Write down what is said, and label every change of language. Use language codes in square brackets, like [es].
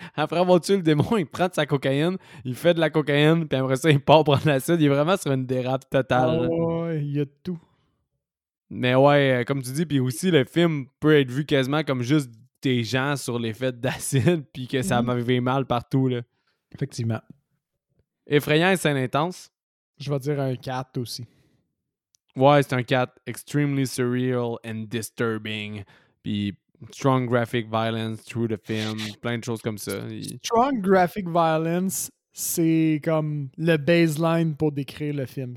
[fr] Après avoir tué le démon, il prend de sa cocaïne, il fait de la cocaïne, puis après ça, il part prendre de l'acide. Il est vraiment sur une dérape totale. Ouais, il y a tout. Mais ouais, comme tu dis, puis aussi, le film peut être vu quasiment comme juste des gens sur l'effet d'acide, puis que ça m'avait mal partout, là. Effectivement. Effrayant et scène intense. Je vais dire un 4 aussi. Ouais, c'est un 4. [en] Extremely surreal and disturbing. Puis strong graphic violence through the film. [fr] Plein de choses comme ça. [en] Strong graphic violence, [fr] c'est comme le baseline pour décrire le film.